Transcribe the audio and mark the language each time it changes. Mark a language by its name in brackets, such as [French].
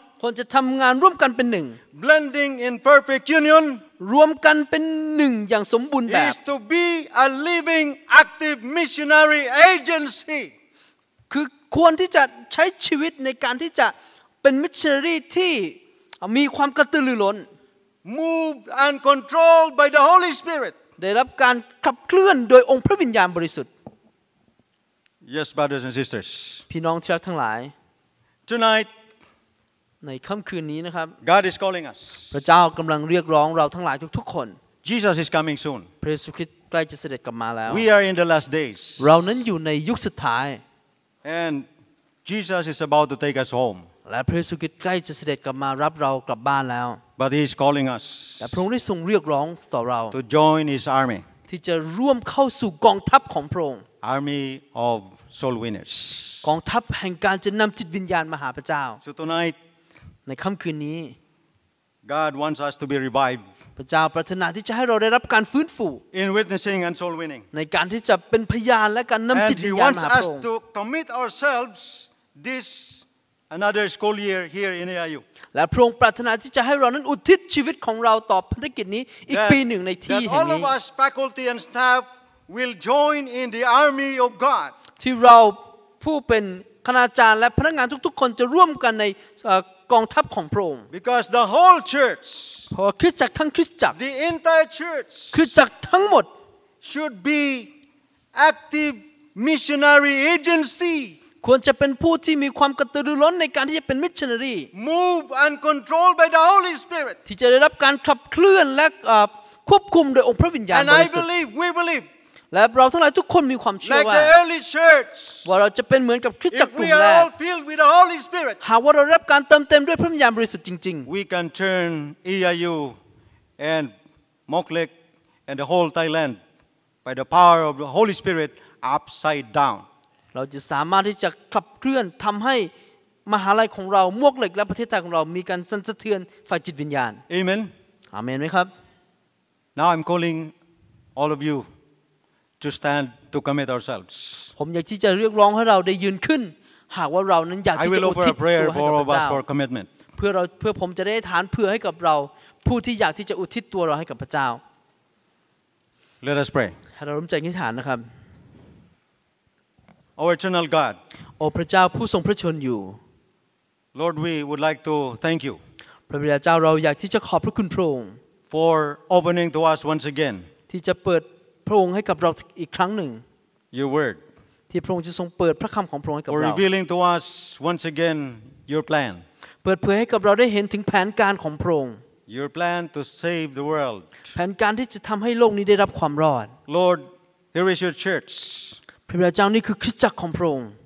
[Thai] ควรจะทำงานร่วมกันเป็นหนึ่ง [English] blending in perfect union. [Thai] รวมกันเป็นหนึ่งอย่างสมบูรณ์แบบ [English] is to be a living active missionary agency [Thai] คือควรที่จะใช้ชีวิตในการที่จะเป็นมิชชันนารีที่มีความกระตือรือร้น [English] moved and controlled by the Holy Spirit [Thai] ได้รับการขับเคลื่อนโดยองค์พระวิญญาณบริสุทธิ์ [English] Yes brothers and sisters [Thai] พี่น้องที่รักทั้งหลาย [English] tonight [Thai] ในค่ำคืนนี้นะครับ [English] God is calling us [Thai] พระเจ้ากำลังเรียกร้องเราทั้งหลายทุกๆคน [English] Jesus is coming soon [Thai] พระเยซูคริสต์ใกล้จะเสด็จกลับมาแล้ว [English] We are in the last days [Thai] เรานั้นอยู่ในยุคสุดท้าย [English] And Jesus is about to take us home. [Thai] และพระเยซูคริสต์ใกล้จะเสด็จกลับมารับเรากลับบ้านแล้ว [English] But he is calling us. [Thai] แต่พระองค์ได้ทรงเรียกร้องต่อเรา [English] To join his army. [Thai] ที่จะร่วมเข้าสู่กองทัพของพระองค์ [English] Army of soul winners. [Thai] กองทัพแห่งการจะนำจิตวิญญาณมาหาพระเจ้า [English] So tonight. [Thai] ในค่ำคืนนี้ [English] God wants us to be revived. [Thai] พระเจ้าปรารถนาที่จะให้เราได้รับการฟื้นฟู [English] In witnessing and soul winning. [Thai] ในการที่จะเป็นพยานและการนำจิตวิญญาณมาพระองค์ [English] And he wants us to commit ourselves this another school year here in AIU. [Thai] และพระองค์ปรารถนาที่จะให้เรานั้นอุทิศชีวิตของเราต่อภารกิจนี้อีกปีหนึ่งในที่แห่งนี้ [English] That all of us faculty and staff will join in the army of God. [Thai] ที่เราผู้เป็นคณาจารย์และพนักงานทุกๆคนจะร่วมกันในกองทัพของพระองค์ [English] Because the whole church [Thai] คริสตจักรทั้งคริสตจักร [English] The entire church [Thai] คริสตจักรทั้งหมด [English] should be active missionary agency [Thai] ควรจะเป็นผู้ที่มีความกระตือรือร้นในการที่จะเป็นมิชชันนารี [English] Move and controlled by the Holy Spirit [Thai] ที่จะได้รับการขับเคลื่อนและควบคุมโดยองค์พระวิญญาณบริสุทธิ์ [English] And I believe we believebelieve [Thai] และเราทั้งหลายทุกคนมีความเชื่อว่า [English] Like the early church [Thai] ว่าเราจะเป็นเหมือนกับคริสตจักรกลุ่มแรก [English] If we are all filled with the Holy Spirit [Thai] หากว่าเราได้รับการเติมเต็มด้วยพระวิญญาณบริสุทธิ์จริง [English] ๆ We can turn EIU and Moklik and the whole Thailand by the power of the Holy Spirit upside down [Thai] เราจะสามารถที่จะขับเคลื่อนทำให้มหาลัยของเรามวกเหล็กและประเทศไทยของเรามีการสั่นสะเทือนฝ่ายจิตวิญญาณ อาเมน อาเมนไหมครับ [English] Now I'm calling all of you to stand to commit ourselves [Thai] ผมอยากที่จะเรียกร้องให้เราได้ยืนขึ้นหากว่าเรานั้นอยากที่จะอุทิศตัวให้พระเจ้า [English] I will offer a prayer for commitment [Thai] เพื่อผมจะได้ฐานเพื่อให้กับเราผู้ที่อยากที่จะอุทิศตัวเราให้กับพระเจ้า [English] Let us pray [Thai] ให้เราร่วมใจอธิษฐานนะครับ [English] Our eternal God. [Thai] โอ้พระเจ้าผู้ทรงพระชนอยู่ [English] Lord we would like to thank you. [Thai] พระบิดาเจ้าเราอยากที่จะขอบพระคุณพระองค์ [English] for opening to us once again. [Thai] ที่จะเปิดพระองค์ให้กับเราอีกครั้งหนึ่ง [English] Your word. [Thai] ที่พระองค์จะทรงเปิดพระคําของพระองค์ให้กับเรา [English] for revealing to us once again your plan. [Thai] เปิดเผยให้กับเราได้เห็นถึงแผนการของพระองค์ [English] your plan to save the world. [Thai] แผนการที่จะทําให้โลกนี้ได้รับความรอด [English] Lord here is your church. [Thai] พระเจ้านี่คือคริสตจักรของพระองค์